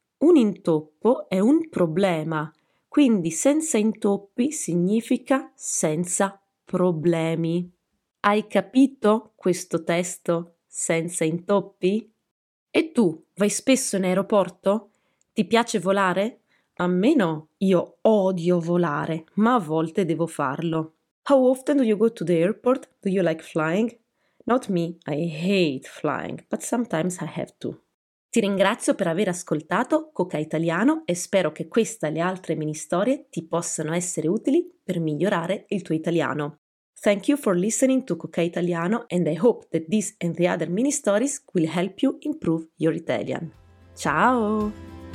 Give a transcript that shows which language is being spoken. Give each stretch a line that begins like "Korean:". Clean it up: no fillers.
Italian: Un intoppo è un problema. Quindi senza intoppi significa senza problemi. Hai capito questo testo senza intoppi? E tu, vai spesso in aeroporto? Ti piace volare? A me no, io odio volare, ma a volte devo farlo.
English: How often do you go to the airport? Do you like flying? Not me, I hate flying, but sometimes I have to.
Italian: Ti ringrazio per aver ascoltato Coca Italiano e spero che questa e le altre mini storie ti possano essere utili per migliorare il tuo italiano.
English: Thank you for listening to Coca Italiano and I hope that this and the other mini stories will help you improve your Italian. Ciao!